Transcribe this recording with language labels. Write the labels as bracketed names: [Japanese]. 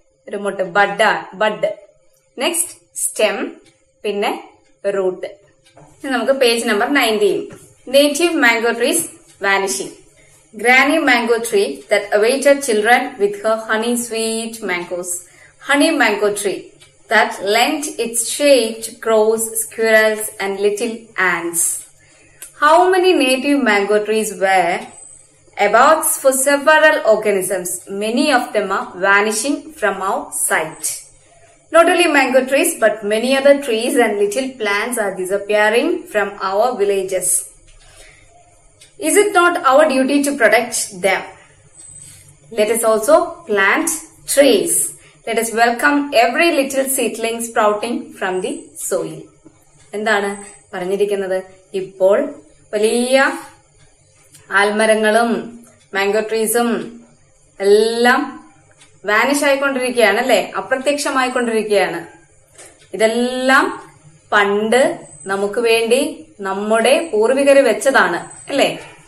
[Malayalam] ഒരു മൊട്ട്, bud, bud. Next stem, പിന്നെ root. നമുക്ക് page number 19, native mango trees vanishing. [English] Granny mango tree that awaited children with her honey sweet mangoes. Honey mango tree that lent its shade to crows, squirrels and little ants. How many native mango trees were about for several organisms? Many of them are vanishing from our sight. Not only mango trees but many other trees and little plants are disappearing from our villages. Is it not our duty to protect them? Let us also plant trees. Let us welcome every little seedling sprouting from the soil. [Malayalam] എന്താണ് പറഞ്ഞിരിക്കുന്നത്? ഇപ്പോൾ വലിയ ആൽമരങ്ങളും mango ട്രീസും എല്ലാം vanish ആയിക്കൊണ്ടിരിക്കുകയാണ് അല്ലേ? അപ്രത്യക്ഷമായിക്കൊണ്ടിരിക്കുകയാണ്. ഇതെല്ലാം പണ്ട് നമുക്ക് വേണ്ടി നമ്മുടെ പൂർവികർ വെച്ചതാണ് അല്ലേ?